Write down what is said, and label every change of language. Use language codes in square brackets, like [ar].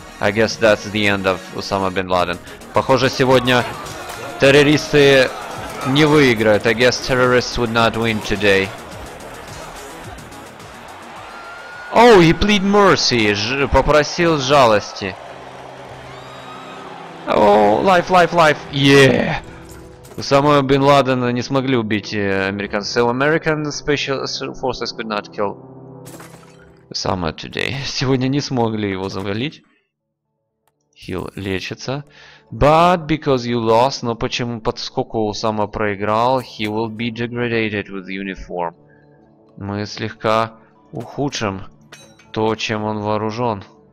[en] I guess that's the end of Усама бен Ладен. [ru] Похоже, сегодня террористы не выиграют. [en] I guess terrorists would not win today. Oh, he plead mercy. [ru] Попросил жалости. [en] Oh, life, life, life. Yeah. [ru] Усама бен Ладена не смогли убить американцы. [en] So American special forces could not kill Усама today. [ru] Сегодня не смогли его завалить. Хил лечится. [en] But because you lost, [ru] но почему, поскольку Усама проиграл, [en] he will be degraded with uniform. [ru] Мы слегка ухудшим то, чем он вооружен.